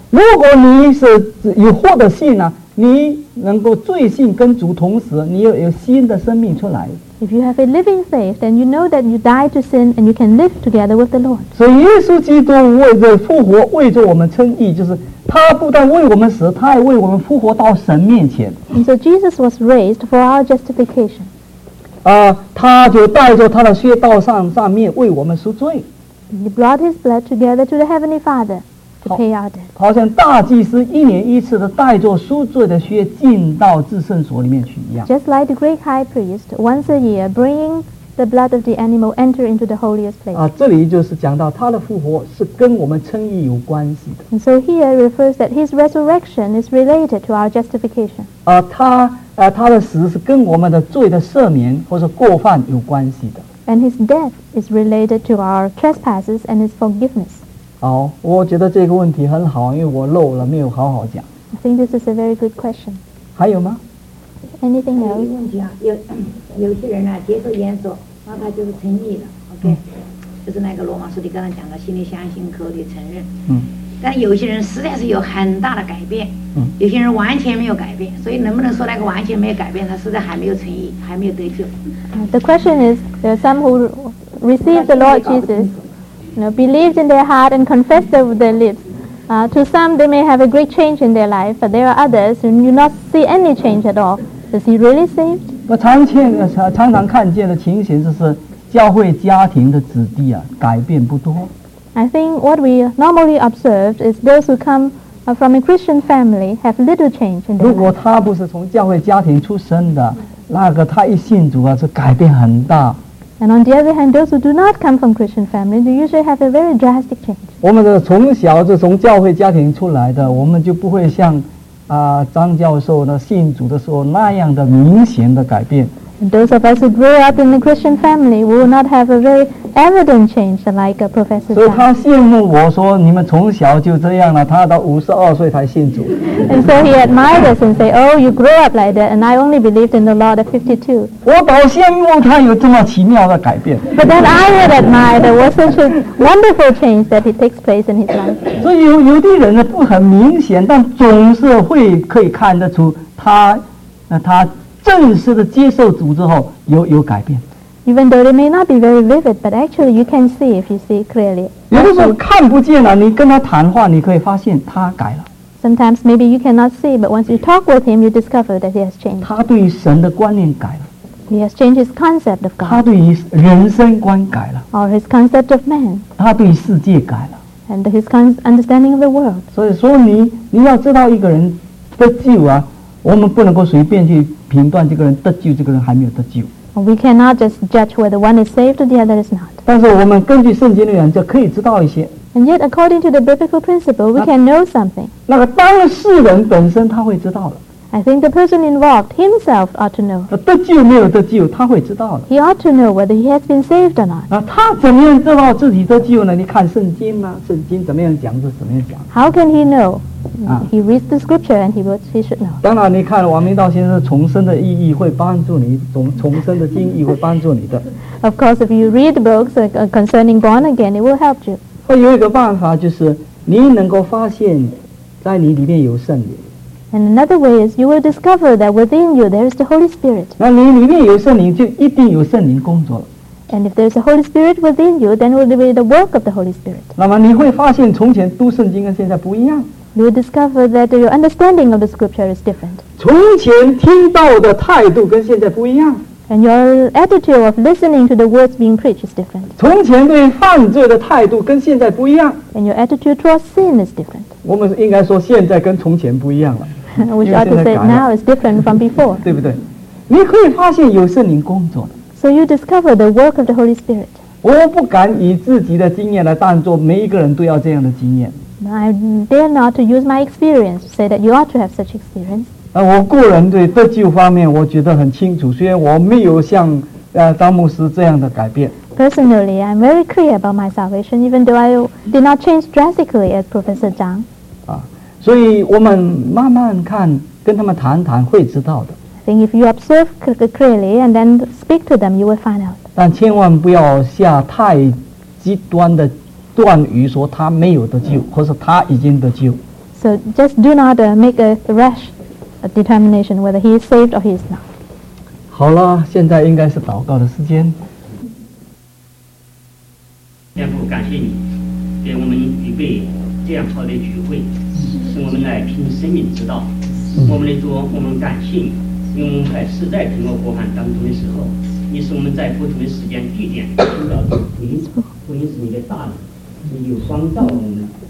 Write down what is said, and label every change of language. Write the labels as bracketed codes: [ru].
[zh] 如果你是有活的信呢、啊，你能够罪信跟主同时，你又有新的生命出来。 [en] If you have a living faith, then you know that you die to sin and you can live together with the Lord. [zh] 所以耶稣基督为着复活，为着我们称义，就是他不但为我们死，他也为我们复活到神面前。 [en] And so Jesus was raised for our justification. [zh] 啊，他就带着他的血到上面为我们赎罪。 [en] He brought his blood together to the heavenly Father to pay our debt. [zh] 好像大祭司一年一次的带着赎罪的血进到至圣所里面去一样。 [en] Just like the great high priest, once a year, bringing the blood of the animal enter into the holiest place. [zh] 啊，这里就是讲到他的复活是跟我们称义有关系的。 [en] And so here refers that his resurrection is related to our justification. [zh] 啊，他的死是跟我们的罪的赦免或者过犯有关系的。 [en] And his death is related to our trespasses and his forgiveness. [zh] 好，我觉得这个问题很好，因为我漏了，没有好好讲。 [en] I think this is a very good question. [zh] 还有吗？ [en] Anything else? [zh] 有一个问题啊，有些人啊，接受耶稣，那他就是称义了。 OK，就是那个罗马书里刚才讲的，心里相信，口里承认。但有些人实在是有很大的改变。有些人完全没有改变，所以能不能说那个完全没有改变，他实在还没有称义，还没有得救？ [en] The question is, there are some who receive the Lord Jesus. Believed in their heart and confessed over their lips. To some, they may have a great change in their life, but there are others who do not see any change at all. Is he really saved? [zh] 我常常看见的情形就是，教会家庭的子弟啊，改变不多。 [en] I think what we normally observe is those who come from a Christian family have little change in their life. [zh] 如果他不是从教会家庭出生的，那个他一信主啊，是改变很大。 [en] And on the other hand, those who do not come from Christian family, they usually have a very drastic change. [zh] 我们的从小就从教会家庭出来的，我们就不会像张教授呢信主的时候那样的明显的改变。 [en] And those of us who grew up in the Christian family will not have a very evident change like a professor. [zh] 所以他羡慕我说你们从小就这样了，他到52岁才信主。 [en] And so he admired us and said, "Oh, you grew up like that, and I only believed in the Lord at 52." [zh] 我倒羡慕他有这么奇妙的改变。 [en] But then I would admire there was such a wonderful change that it takes place in his life. [zh] 所以有的人呢不很明显，但总是会可以看得出他。正式的接受主之后有改变。 [en] Even though it may not be very vivid, but actually you can see if you see clearly. [zh] 有的时候看不见了，你跟他谈话，你可以发现他改了。 [en] Sometimes maybe you cannot see, but once you talk with him, you discover that he has changed. [zh] 他对于神的观念改了。 [en] He has changed his concept of God. [zh] 他对于人生观改了。 [en] Or his concept of man. [zh] 他对于世界改了。 [en] And his understanding of the world. [zh] 所以说你要知道一个人得救啊，我们不能够随便去评断这个人得救，这个人还没有得救。 [en] We cannot just judge whether one is saved or the other is not. [zh] 但是我们根据圣经的原则可以知道一些。 [en] And yet, according to the biblical principle, we can know something. [zh] 那个当事人本身他会知道了。 [en] I think the person involved himself ought to know. [zh] 得救没有得救，他会知道了。 [en] He ought to know whether he has been saved or not. [zh] 那他怎么样知道自己得救呢？你看圣经吗？圣经怎么样讲就怎么样讲。 [en] How can he know? He reads the scripture and he should know. [zh] 当然你看王明道先生重生的意义会帮助你，重生的经义会帮助你的。 [en] Of course, if you read books concerning born again, it will help you. [zh] 会有一个办法，就是你能够发现在你里面有圣灵。 [en] And another way is you will discover that within you there is the Holy Spirit. [zh] 那你里面有圣灵，就一定有圣灵工作了。 [en] And if there is a Holy Spirit within you, then it will be the work of the Holy Spirit. [zh] 那么你会发现从前读圣经跟现在不一样。 [en] You will discover that your understanding of the scripture is different. [zh] 从前听到的态度跟现在不一样。 [en] And your attitude of listening to the words being preached is different. [zh] 从前对犯罪的态度跟现在不一样。 [en] And your attitude towards sin is different. [zh] 我们应该说现在跟从前不一样了。 [en] We should say now is different from before. [zh] 对不对？你可以发现有圣灵工作的。 [en] So you discover the work of the Holy Spirit. [zh] 我不敢以自己的经验来当作每一个人都要这样的经验。 [en] I dare not to use my experience to say that you ought to have such experience. [zh] 我个人对得救方面我觉得很清楚，虽然我没有像张牧师这样的改变。 [en] Personally, I'm very clear about my salvation, even though I did not change drastically as Professor Zhang. [zh] 所以我们慢慢看，跟他们谈谈会知道的。 [en] Then if you observe clearly and then speak to them, you will find out. [zh] 但千万不要下太极端的断语，说他没有得救，或是他已经得救。 [en] So just do not make a rash determination whether he is saved or he is not. [zh] 好了，现在应该是祷告的时间。天父，感谢你给我们预备这样好的聚会，使我们来凭生命之道。我们的主，我们感谢你。因为我们在世代苹果国寒当中的时候，你使我们在不同的时间地点听到福音，福音是你的大能，你有光照我们，